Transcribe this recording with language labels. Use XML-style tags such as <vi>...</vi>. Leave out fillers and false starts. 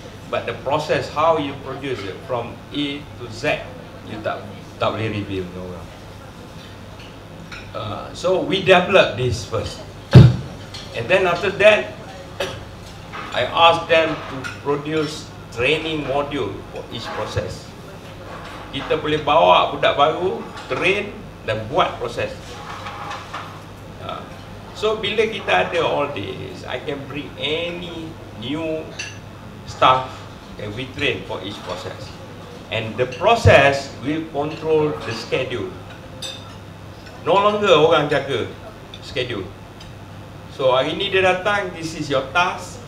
<en>But the process, how you produce it, from A to Z, you</en> <ms>tak boleh reveal dengan orang.</ms> <en>So, we develop this first. And then after that, I asked them to produce training module for each process.</en> <ms>Kita boleh bawa budak baru, train dan buat proses.</ms> <en>So,</en> <ms>bila kita ada</ms> <en>all this, I can bring any new staff that we train for each process. And the process will control the schedule. No longer</en> <ms>orang jaga</ms> <en>schedule. So,</en> <ms>hari ni dia datang,</ms> <en>this is your task.</en>